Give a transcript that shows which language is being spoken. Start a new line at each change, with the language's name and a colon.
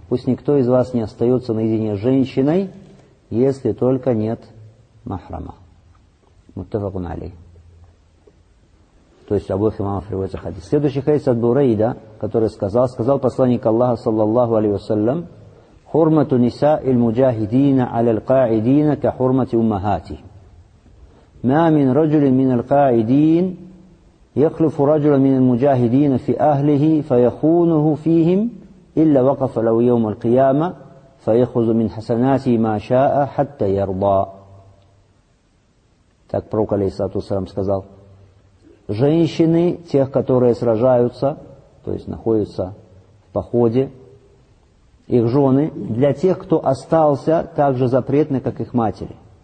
Russian: Пусть никто из вас не остается наедине с женщиной, если только нет махрама. Муттафакун алей. То есть обоих имамов приводится хадис. Следующий хадис от Бурейда, который сказал посланник Аллаха, саллаллаху алейхи ва саллям:
Arabic: «Хурмату ниса иль муджахидина аля лькаидина ка хурмати уммахати». ما من رجل من القاعدين يخلف رجلا من المجاهدين في أهله فيخونه فيهم إلا وقف له يوم القيامة فيخذ من حسناته ما شاء حتى يرضى.
Russian: Так пророк, алейхиссалату вассалям, сказал: женщины тех, которые сражаются, то есть находятся в походе, их жены, для тех, кто остался, также запретны, как их матери.